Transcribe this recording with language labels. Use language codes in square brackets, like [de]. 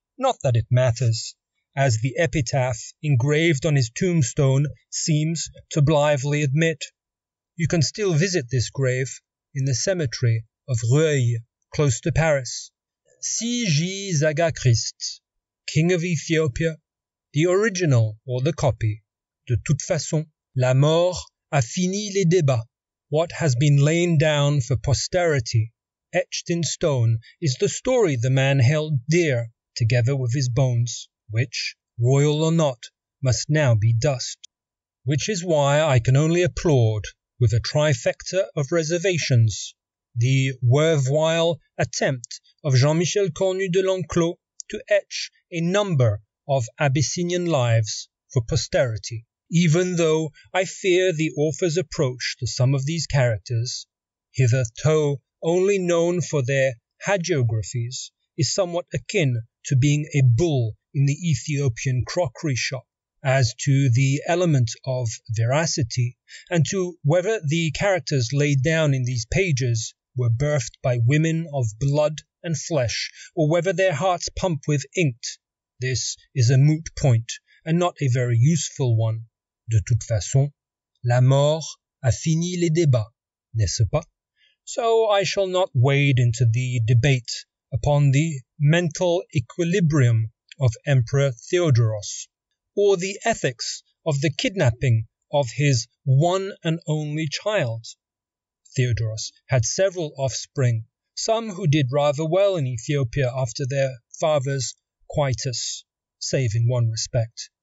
[en] Not that it matters, as the epitaph engraved on his tombstone seems to blithely admit. You can still visit this grave in the cemetery of Rueil, close to Paris. C.G. Zegakrist, King of Ethiopia, the original or the copy. [fr] De toute façon, la mort a fini les débats. [en] What has been laid down for posterity, etched in stone, is the story the man held dear, together with his bones, which, royal or not, must now be dust. Which is why I can only applaud, with a trifecta of reservations, the worthwhile attempt of Jean-Michel Cornu de L'Enclos to etch a number of Abyssinian lives for posterity. Even though I fear the author's approach to some of these characters, hitherto only known for their hagiographies, is somewhat akin to being a bull in the Ethiopian crockery shop. As to the element of veracity, and to whether the characters laid down in these pages were birthed by women of blood and flesh, or whether their hearts pump with ink, this is a moot point, and not a very useful one. [fr] De toute façon, la mort a fini les débats, n'est-ce pas? [en] So I shall not wade into the debate upon the mental equilibrium of Emperor Theodoros, or the ethics of the kidnapping of his one and only child. Theodoros had several offspring, some who did rather well in Ethiopia after their father's quietus, save in one respect.